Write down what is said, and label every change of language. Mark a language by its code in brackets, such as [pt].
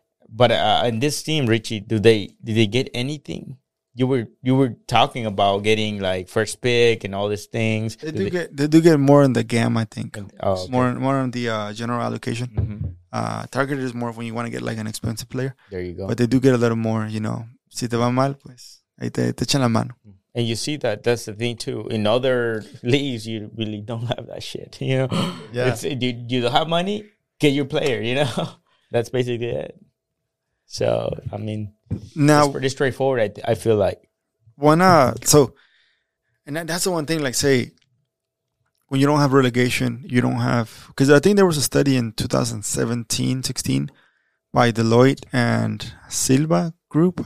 [en] But in this team, Richie, do they get anything? You were talking about getting like first pick and all these things. They do get more in the GAM, I think. More on the general allocation. Mm-hmm. Target is more of when you want to get like an expensive player. There you go. But they do get a little more, you know. [es] Si te va mal, pues ahí te echan la mano. [en] And you see that's the thing too. In other leagues, you really don't have that shit. You know, yeah. You don't have money, get your player. You know, that's basically it. So I mean. Now, it's pretty straightforward, I feel like. Why not? So, and that's the one thing, like, say, when you don't have relegation, you don't have, because I think there was a study in 2017, 16 by Deloitte and Silva Group.